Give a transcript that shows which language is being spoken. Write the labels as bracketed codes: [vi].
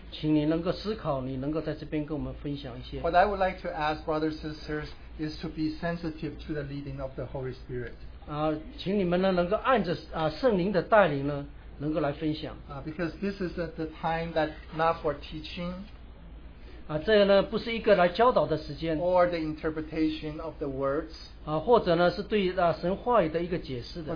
[zh] 如果在过去一周呢，你有寻求呢，请你能够思考，你能够在这边跟我们分享一些。 [en] What I would like to ask brothers and sisters is to be sensitive to the leading of the Holy Spirit. [zh] 请你们呢能够按着圣灵的带领呢，能够来分享。 [en] Because this is the time that not for teaching. [zh] 这呢不是一个来教导的时间 [en] or the interpretation of the words [zh] 或者呢是对神话语的一个解释的